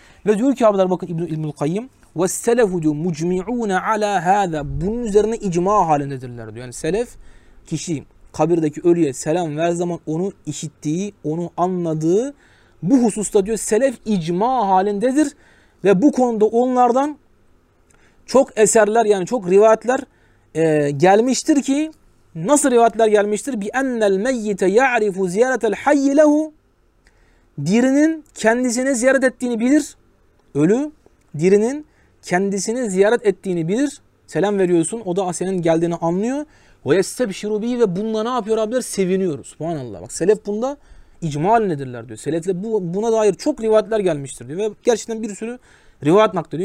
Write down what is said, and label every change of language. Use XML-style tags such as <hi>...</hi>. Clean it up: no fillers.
<tr>Ve diyor ki abiler bakın İbnül Kayyım.</tr> <ar>وَالسَّلَفُ</ar> <tr>diyor</tr> <ar>مُجْمِعُونَ عَلَى هَذَا</ar> <tr>bunun üzerine icma halindedirler diyor. Yani selef kişi kabirdeki ölüye selam ver zaman onu işittiği, onu anladığı bu hususta diyor selef icma halindedir. Ve bu konuda onlardan çok eserler yani çok rivayetler gelmiştir ki nasıl rivayetler gelmiştir?</tr> <ar>بِأَنَّ الْمَيِّتَ يَعْرِفُ زِيَارَةَ الْحَيِّ لَهُ</ar> <tr>dirinin kendisini ziyaret ettiğini bilir. Ölü dirinin kendisini ziyaret ettiğini bilir. Selam veriyorsun. O da senin geldiğini anlıyor. Ve</tr> <ar>yestebşiru bihi</ar> <tr>ve bununla ne yapıyor abiler? Seviniyor. Subhanallah. Bak selef bunda icma halindedirler diyor. Selefle buna dair çok rivayetler gelmiştir diyor. Ve gerçekten bir sürü rivayet naklediyor.</tr>